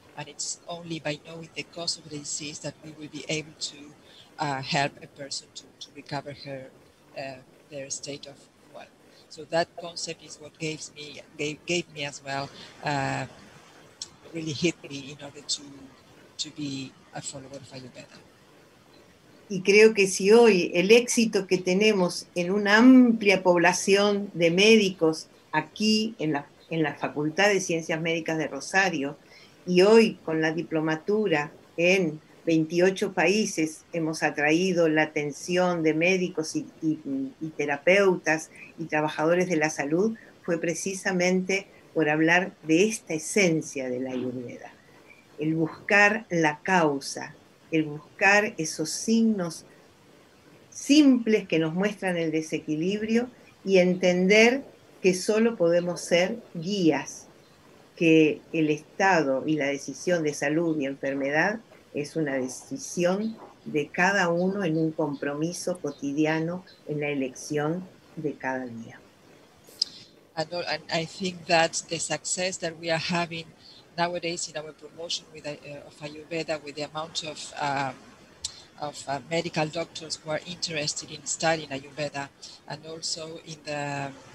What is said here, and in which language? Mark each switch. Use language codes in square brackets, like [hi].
[en] And it's only by knowing the cause of the disease that we will be able to help a person to recover their state of. So that concept is what gave me as well, really hit me in order to be a follower of Ayurveda. [es] Y creo que si hoy el éxito que tenemos en una amplia población de médicos aquí en la Facultad de Ciencias Médicas de Rosario y hoy con la diplomatura en 28 países hemos atraído la atención de médicos y terapeutas y trabajadores de la salud fue precisamente por hablar de esta esencia de la Ayurveda, el buscar la causa, el buscar esos signos simples que nos muestran el desequilibrio y entender que solo podemos ser guías, que el estado y la decisión de salud y enfermedad es una decisión de cada uno en un compromiso cotidiano en la elección de cada día. [en] And I think that the success that we are having nowadays in our promotion with of Ayurveda, with the amount of medical doctors who are interested in studying Ayurveda, and also in the